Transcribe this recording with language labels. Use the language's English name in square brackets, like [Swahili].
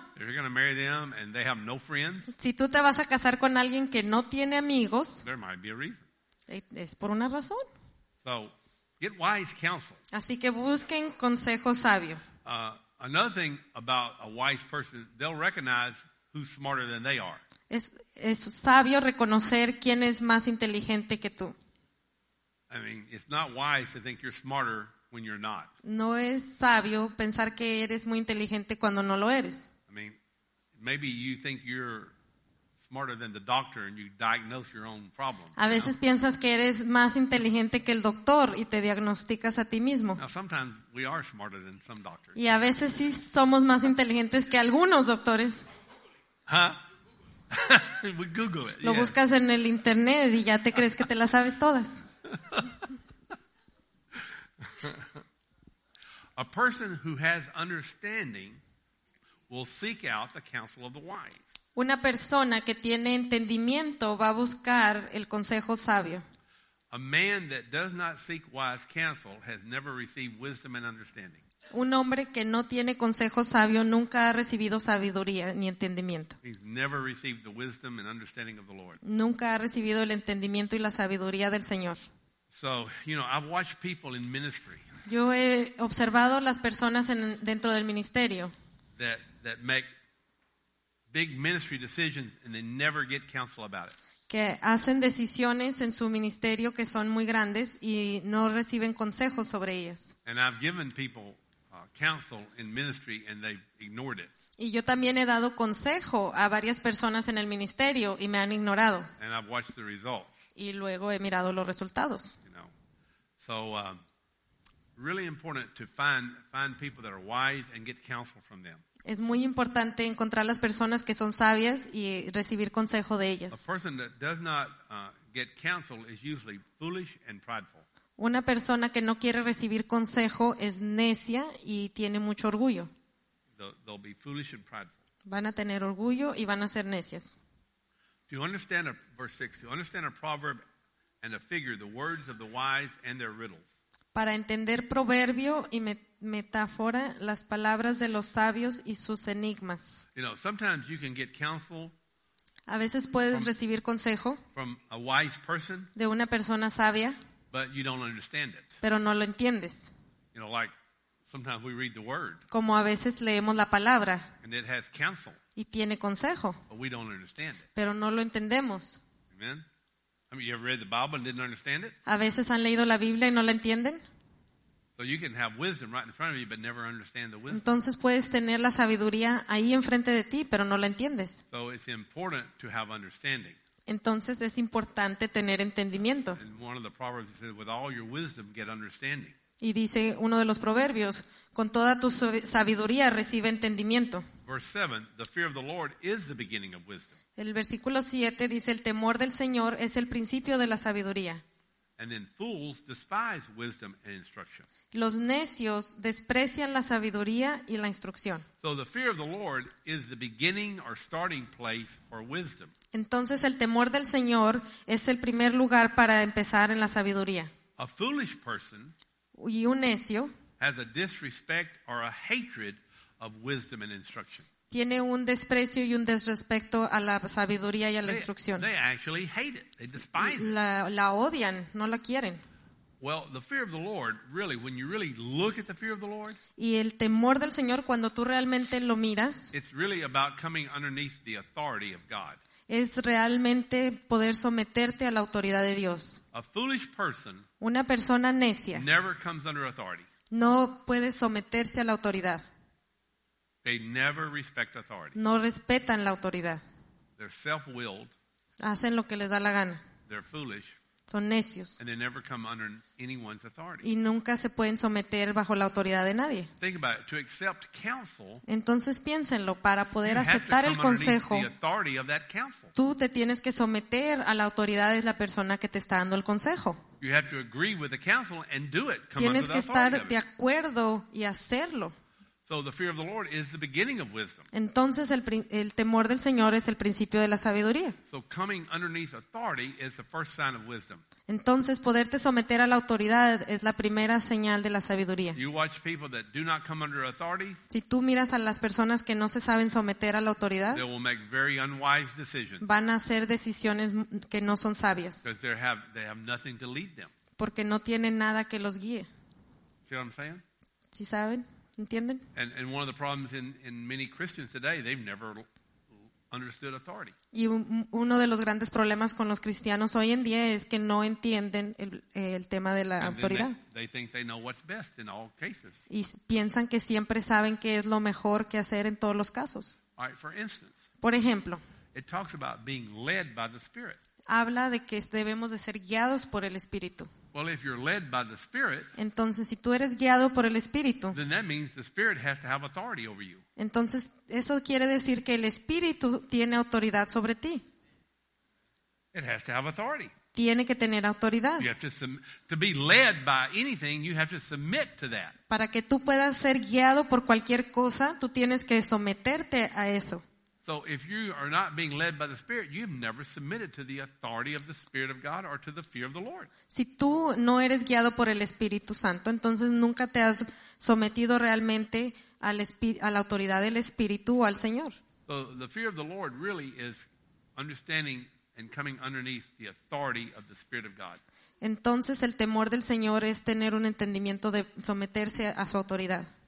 [English] If you're going to marry them and they have no friends, [Spanish] si tú te vas a casar con alguien que no tiene amigos, [English] there might be a reason. [Spanish] Es por una razón. [English] So, get wise counsel. [Spanish] Así que busquen consejo sabio. [English] Another thing about a wise person, they'll recognize who's smarter than they are. [Spanish] Es sabio reconocer quién es más inteligente que tú. [English] I mean, it's not wise to think you're smarter when you're not. [Spanish] No es sabio pensar que eres muy inteligente cuando no lo eres. [English] I mean, maybe you think you're smarter than the doctor and you diagnose your own problem. [Spanish] A veces, [English] you know? [Spanish] Piensas que eres más inteligente que el doctor y te diagnosticas a ti mismo. [English] Now, sometimes we are smarter than some doctors. [Spanish] Y a veces sí somos más inteligentes que algunos doctores. [English] Huh? We Google it. [Spanish] Lo buscas en el internet y ya te crees que te las sabes todas. [English] A person who has understanding will seek out the counsel of the wise. [Spanish] Una persona que tiene entendimiento va a buscar el consejo sabio. [English] A man that does not seek wise counsel has never received wisdom and understanding. [Spanish] Un hombre que no tiene consejo sabio nunca ha recibido sabiduría ni entendimiento. [English] He's never received the wisdom and understanding of the Lord. [Spanish] Nunca ha recibido el entendimiento y la sabiduría del Señor. [English] So, you know, I've watched people in ministry. [Spanish] Yo he observado las personas dentro del ministerio. [English] That make big ministry decisions and they never get counsel about it. [Spanish] Que hacen decisiones en su ministerio que son muy grandes y no reciben consejos sobre ellas. [English] And I've given people counsel in ministry and they've ignored it. [Spanish] Y yo también he dado consejo a varias personas en el ministerio y me han ignorado. [English] And I've watched the results. Y luego he mirado los resultados. You know. So really important to find people that are wise and get counsel from them. [Spanish] Es muy importante encontrar las personas que son sabias y recibir consejo de ellas. [English] A person that does not get counsel is usually foolish and prideful. [Spanish] Una persona que no quiere recibir consejo es necia y tiene mucho orgullo. [English] They'll be foolish and prideful. [Spanish] Van a tener orgullo y van a ser necias. [English] Do you understand a verse 6? Do you understand a proverb and a figure, the words of the wise and their riddles? [Spanish] Para entender proverbio y metáfora, las palabras de los sabios y sus enigmas. [English] You know, sometimes you can get counsel. [Spanish] A veces puedes recibir consejo [English] from a wise person, [Spanish] de una persona sabia, [English] but you don't understand it. [Spanish] Pero no lo entiendes. [English] You know, like sometimes we read the word. [Spanish] Como a veces leemos la palabra. [English] And it has counsel. [Spanish] Y tiene consejo. [English] But we don't understand it. [Spanish] Pero no lo entendemos. [English] Amen. I mean, you ever read the Bible and didn't understand it? [Spanish] A veces han leído la Biblia y no la entienden. [English] So you can have wisdom right in front of you, but never understand the wisdom. [Spanish] Entonces puedes tener la sabiduría ahí enfrente de ti, pero no la entiendes. [English] So it's important to have understanding. [Spanish] Entonces es importante tener entendimiento. [English] And one of the proverbs says, "With all your wisdom, get understanding." [Spanish] Y dice uno de los proverbios, con toda tu sabiduría recibe entendimiento. [English] Verse 7, the fear of the Lord is the beginning of wisdom. [Spanish] El versículo 7 dice, el temor del Señor es el principio de la sabiduría. [English] And then fools despise wisdom and instruction. [Spanish] Los necios desprecian la sabiduría y la instrucción. [English] So the fear of the Lord is the beginning or starting place for wisdom. [Spanish] Entonces el temor del Señor es el primer lugar para empezar en la sabiduría. [English] A foolish person [Spanish] y un necio [English] has a disrespect or a hatred of wisdom and instruction. [Spanish] Tiene un desprecio y un desrespecto a la sabiduría y a la instrucción. [English] They actually hate it. They despise it. [Spanish] La odian, no la quieren. [English] Well, the fear of the Lord, really, when you really look at the fear of the Lord, [Spanish] y el temor del Señor, cuando tú realmente lo miras, [English] it's really about coming underneath the authority of God. [Spanish] Es realmente poder someterte a la autoridad de Dios. [English] A foolish person, [Spanish] una persona necia, [English] never comes under authority. [Spanish] No puede someterse a la autoridad. [English] They never respect authority. [Spanish] No respetan la autoridad. [English] They're self-willed. [Spanish] Hacen lo que les da la gana. [English] They're foolish. [Spanish] Son necios. [English] And they never come under anyone's authority. [Spanish] Y nunca se pueden someter bajo la autoridad de nadie. [English] Think about it. To accept counsel, [Spanish] entonces piénsenlo, para poder aceptar el consejo, [English] the authority of that counsel. [Spanish] Tú te tienes que someter a la autoridad de la persona que te está dando el consejo. [English] You have to agree with the counsel and do it. Come [Spanish] tienes [English] under the authority [Spanish] estar de acuerdo y hacerlo. [English] So the fear of the Lord is the beginning of wisdom. [Spanish] Entonces el temor del Señor es el principio de la sabiduría. [English] So coming underneath authority is the first sign of wisdom. [Spanish] Entonces poderte someter a la autoridad es la primera señal de la sabiduría. [English] You watch people that do not come under authority. [Spanish] Si tú miras a las personas que no se saben someter a la autoridad, [English] they will make very unwise decisions. [Spanish] Van a hacer decisiones que no son sabias. [English] Because they have nothing to lead them. [Spanish] Porque no tienen nada que los guíe. [English] See what I'm saying? [Spanish] ¿Sí saben? ¿Entienden? [English] And one of the problems in many Christians today, they've never understood authority. [Spanish] Y uno de los grandes problemas con los cristianos hoy en día es que no entienden el tema de la autoridad. [English] They think they know what's best in all cases. [Spanish] Y piensan que siempre saben qué es lo mejor que hacer en todos los casos. [English] All right, for instance, [Spanish] por ejemplo, [English] it talks about being led by the Spirit. [Spanish] Habla de que debemos de ser guiados por el Espíritu. [English] Well, if you're led by the Spirit, [Spanish] entonces si tú eres guiado por el Espíritu, [English] then that means the Spirit has to have authority over you. [Spanish] Entonces eso quiere decir que el Espíritu tiene autoridad sobre ti. [English] It has to have authority. [Spanish] Tiene que tener autoridad. [English] You have to be led by anything, you have to submit to that. [Spanish] Para que tú puedas ser guiado por cualquier cosa, tú tienes que someterte a eso. [English] So if you are not being led by the Spirit, you've never submitted to the authority of the Spirit of God or to the fear of the Lord. [Spanish] Si tú no eres guiado por el Espíritu Santo, entonces nunca te has sometido realmente a la autoridad del Espíritu o al Señor. [English] So the fear of the Lord really is understanding and coming underneath the authority of the Spirit of God. [Spanish] Entonces el temor del Señor es tener un entendimiento de someterse a su autoridad.